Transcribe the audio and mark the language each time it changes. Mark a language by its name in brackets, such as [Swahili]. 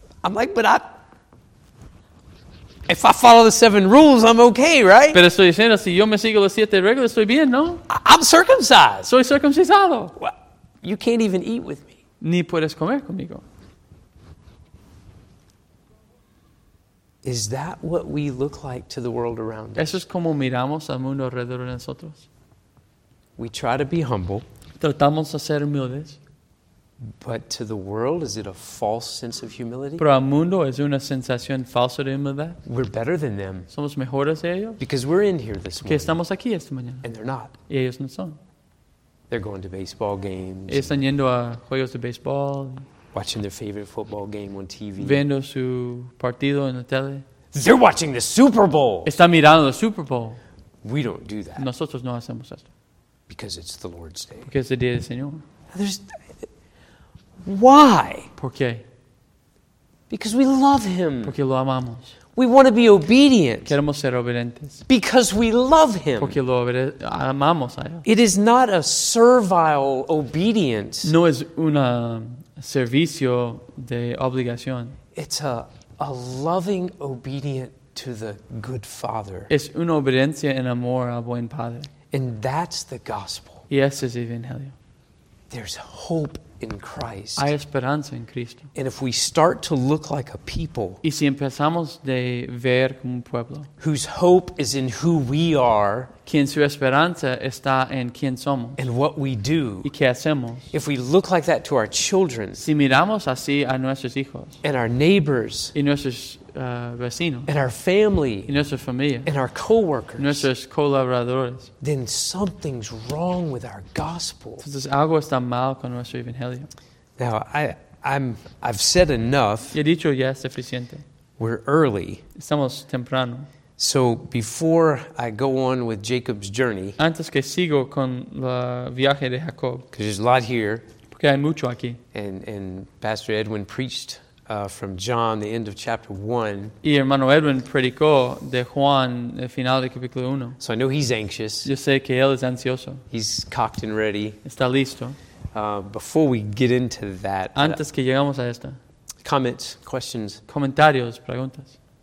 [English] I'm like, but if I follow the seven rules, I'm okay, right? [Spanish] Pero estoy diciendo, si yo me sigo las siete reglas, estoy bien, ¿no? [English] I'm circumcised. [Spanish] Soy circuncisado. [English] What? You can't even eat with me. [Spanish] Ni puedes comer conmigo. [English] Is that what we look like to the world around us? [Spanish] Eso es como miramos al mundo alrededor de nosotros. [English] We try to be humble. [Spanish] Tratamos de ser humildes. [English] But to the world, is it a false sense of humility? [Spanish] Pero al mundo es una sensación falsa de humildad. [English] We're better than them. [Spanish] Somos mejores de ellos. [English] Because we're in here this morning. [Spanish] Que estamos aquí esta mañana. [English] And they're not. [Spanish] Y ellos no son. [English] They're going to baseball games. [Spanish] Están yendo a juegos de béisbol. [English] Watching their favorite football game on TV. [Spanish] Viendo su partido en la tele. [English] They're watching the Super Bowl. [Spanish] Están mirando el Super Bowl. [English] We don't do that. [Spanish] Nosotros no hacemos esto. [English] Because it's the Lord's Day. [Spanish] Porque es el día del Señor. [English] There's... Why? [Spanish] ¿Por qué? [English] Because we love him. [Spanish] Porque lo amamos. [English] We want to be obedient. [Spanish] Queremos ser obedientes. [English] Because we love him. [Spanish] Porque lo amamos a él. [English] It is not a servile obedience. [Spanish] No es una servicio de obligación. [English] It's a loving obedient to the good father. [Spanish] Es una obediencia en amor al buen padre. [English] And that's the gospel. [Spanish] Y ese es el evangelio. [English] There's hope in Christ. [Spanish] Hay esperanza en Cristo. [English] And if we start to look like a people, [Spanish] y si empezamos de ver como un pueblo, [English] whose hope is in who we are, [Spanish] quien su esperanza está en quien somos, [English] and what we do, [Spanish] y qué hacemos, [English] if we look like that to our children, [Spanish] si miramos así a nuestros hijos, [English] and our neighbors, [Spanish] y nuestros vecinos, [English] and our family, [Spanish] y nuestra familia, [English] and our coworkers, [Spanish] nuestros colaboradores, [English] then something's wrong with our gospel. [Spanish] Entonces algo está mal con nuestro evangelio. [English] Now I've said enough. [Spanish] He dicho ya suficiente. [English] We're early. [Spanish] Estamos temprano. [English] So before I go on with Jacob's journey, [Spanish] antes que sigo con el viaje de Jacob, [English] because there's a lot here, [Spanish] porque hay mucho aquí, [English] and Pastor Edwin preached from John, the end of chapter 1. [Spanish] Y hermano Edwin predicó de Juan, el final de capítulo 1. [English] So I know he's anxious. [Spanish] Yo sé que él es ansioso. [English] He's cocked and ready. [Spanish] Está listo. [English] Before we get into that, [Spanish] antes que llegamos a esta, [English] comments, questions, [Spanish] comentarios, preguntas.